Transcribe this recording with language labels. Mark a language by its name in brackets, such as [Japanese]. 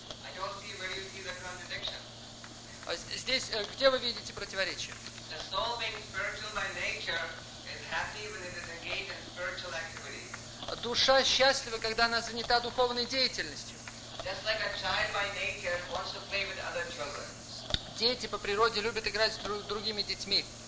[English] I don't see where you see the contradiction. [Russian] Здесь, где вы видите противоречие? [English] The soul being spiritual by nature is happy when it is engaged in spiritual activities. [Russian] Душа счастлива, когда она занята духовной деятельностью. [English] Just like a child by nature wants to play with other children. [Russian] Дети по природе любят играть с другими детьми.